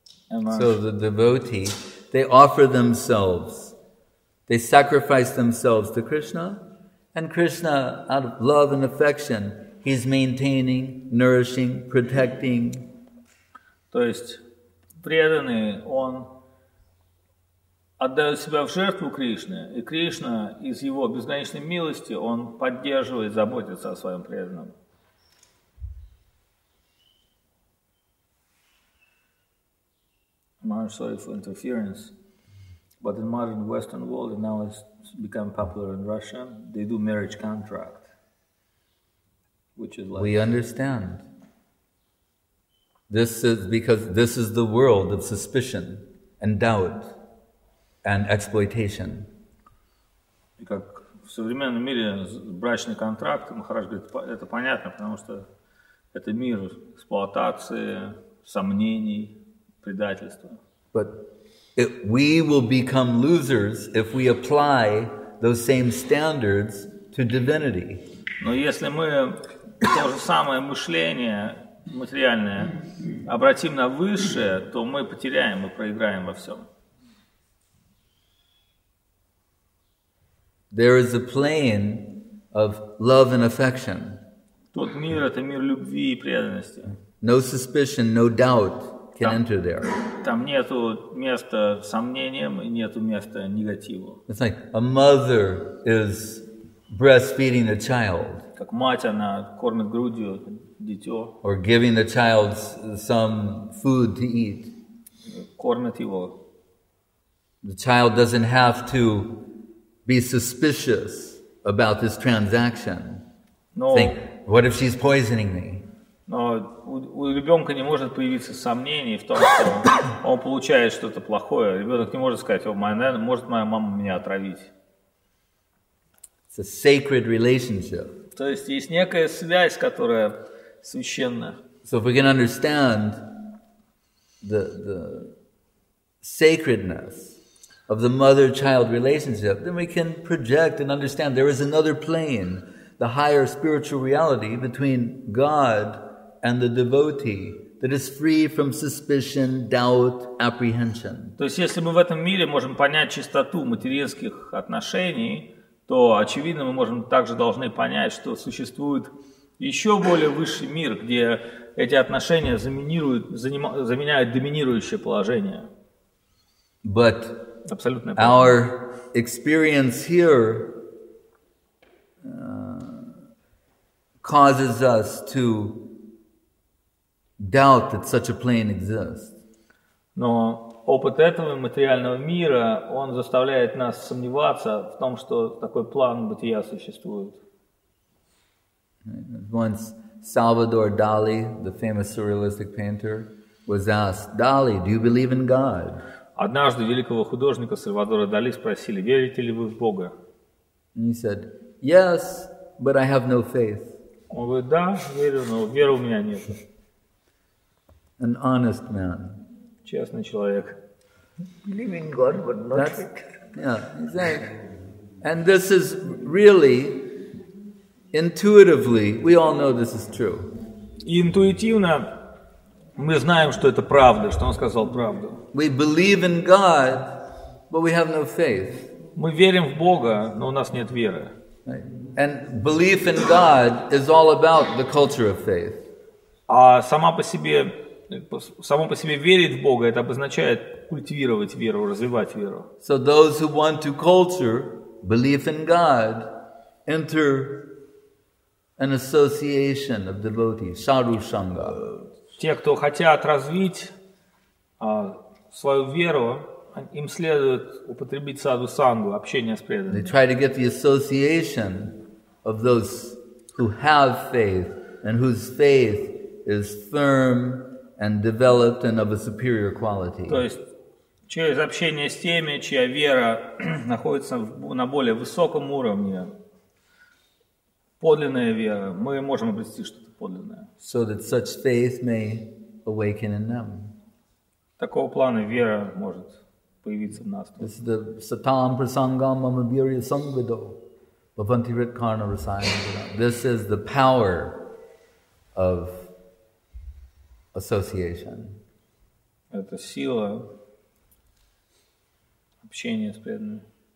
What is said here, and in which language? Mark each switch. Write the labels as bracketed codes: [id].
[en] So the devotee, they offer themselves, they sacrifice themselves to Krishna, and Krishna, out of love and affection, he's maintaining, nourishing, protecting. [ru] То есть преданный, он отдает себя в жертву Кришне, и Кришна из его безграничной милости, он поддерживает, заботится о своем преданном. [en] I'm sorry for interference, but in modern Western world, and now it's become popular in Russia, they do marriage contract, which is like... We understand. This is because this is the world of suspicion and doubt and exploitation. [ru] Как в современном мире брачный контракт, Махарадж говорит, это понятно, потому что это мир эксплуатации, сомнений, предательства. [en] But we will become losers if we apply those same standards to divinity. [ru] Но если мы то же самое мышление материальное обратим на высшее, то мы потеряем, мы проиграем во всем. [en] There is a plane of love and affection. [ru] Тот мир — это мир любви и преданности. [en] No suspicion, no doubt. Can enter there. [ru] Там нету места сомнениям и нету места негативу. [en] It's like a mother is breastfeeding the child. [ru] Как мать, она кормит грудью дитё. [en] Or giving the child some food to eat. [ru] Кормит его. [en] The child doesn't have to be suspicious about this transaction. No. Think, what if she's poisoning me? [ru] Но у ребенка не может появиться сомнений в том, что он получает что-то плохое. Ребенок не может сказать, может моя мама меня отравить. [en] It's a sacred relationship. [ru] То есть есть некая связь, которая священна. [en] So if we can understand the sacredness of the mother-child relationship, then we can project and understand there is another plane, the higher spiritual reality between God and the devotee, that is free from suspicion, doubt, apprehension. [ru] То есть если мы в этом мире можем понять чистоту материнских отношений, то очевидно мы можем также должны понять, что существует еще более высший мир, где эти отношения заменяют доминирующее положение. [en] But [ru] абсолютное [en] our experience here causes us to doubt that such a plane exists. [ru] Но опыт этого материального мира, он заставляет нас сомневаться в том, что такой план бытия существует. [en] Once Salvador Dali, the famous surrealistic painter, was asked, "Dali, do you believe in God?" [ru] Однажды великого художника Сальвадора Дали спросили: "Верите ли вы в Бога?" [en] And he said, "Yes, but I have no faith." [ru] Он говорит: "Да, верю, но веры у меня нет." [en] An honest man. [ru] Честный человек. [en] Believe in God, but not faith. Yeah, exactly. And this is really. Intuitively, we all know this is true. [ru] Интуитивно мы знаем, что это правда, что он сказал правду. [en] We believe in God, but we have no faith. [ru] Мы верим в Бога, но у нас нет веры. [en] And belief in God is all about the culture of faith. [ru] А само по себе верить в Бога, это обозначает культивировать веру, развивать веру. [en] So those who want to culture belief in God enter an association of devotees, Sadhu Sangha. [ru] Те, кто хотят развить свою веру, им следует употребить Sadhu Sangha, общение с преданными. [en] They try to get the association of those who have faith and whose faith is firm and developed and of a superior quality. [ru] То есть через общение с теми, чья вера находится на более высоком уровне. Подлинная вера. Мы можем обрести что-то подлинное. [en] So that such faith may awaken in them. [ru] Такого плана вера может появиться в нас. [en] This is the [sa] satam prasangam amabhirya sangvido bhavanti ritkarna rasayana. [en] This is the power of association. [ru] Это сила общения с преданными.